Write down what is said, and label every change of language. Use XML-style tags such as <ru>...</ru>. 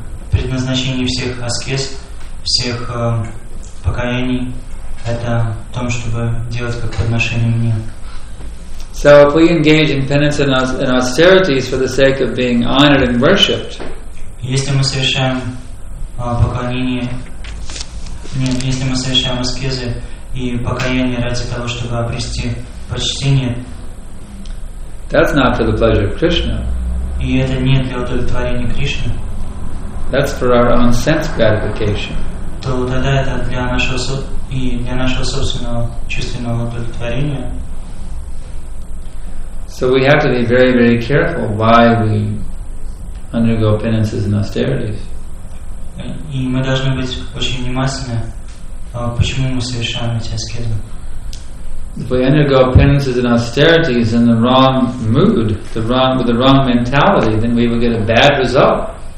<ru>Предназначение всех аскез, всех покаяний — это в том, чтобы делать как подношение мне.</ru> <en>So if we engage in penance and austerities for the sake of being honored and worshipped,</en> <ru>если мы совершаем поклонение, нет, если мы совершаем аскезы и покаяние ради того, чтобы обрести почтение,</ru> <en>that's not for the pleasure of Krishna.</en> <ru>И это не для удовлетворения Кришны.</ru> <en>That's for our own sense gratification.</en> <ru>То тогда это для нашего и для нашего собственного чувственного удовлетворения.</ru> <en>So we have to be very, very careful why we undergo penances and austerities.</en> <ru>И мы должны быть очень внимательны, почему мы совершаем эти аскезы.</ru> <en>If we undergo penances and austerities in the wrong mood, with the wrong mentality, then we will get a bad result.</en>